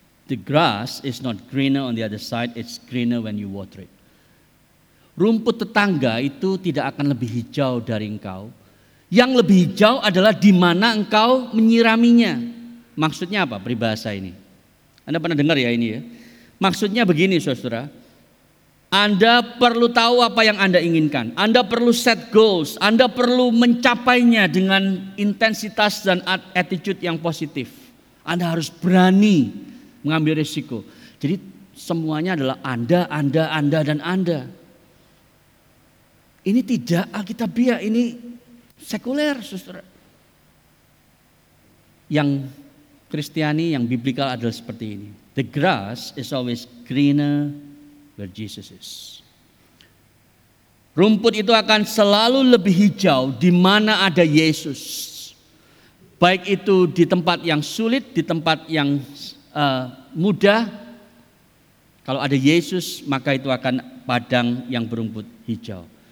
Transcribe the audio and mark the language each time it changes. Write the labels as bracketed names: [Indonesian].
[English] The grass is not greener on the other side, it's greener when you water it. [Indonesian] Rumput tetangga itu tidak akan lebih hijau dari engkau. Yang lebih hijau adalah di mana engkau menyiraminya. Maksudnya apa peribahasa ini? Anda pernah dengar ya ini ya? Maksudnya begini, saudara. Anda perlu tahu apa yang Anda inginkan. Anda perlu [English] set goals. [Indonesian] Anda perlu mencapainya dengan intensitas dan attitude yang positif. Anda harus berani mengambil risiko. Jadi semuanya adalah Anda, dan Anda. Ini tidak alkitabiah, ini sekuler, saudara. Yang kristiani, yang biblical adalah seperti ini. [English] The grass is always greener where Jesus is. [Indonesian] Rumput itu akan selalu lebih hijau di mana ada Yesus. Baik itu di tempat yang sulit, di tempat yang mudah. Kalau ada Yesus, maka itu akan padang yang berumput hijau.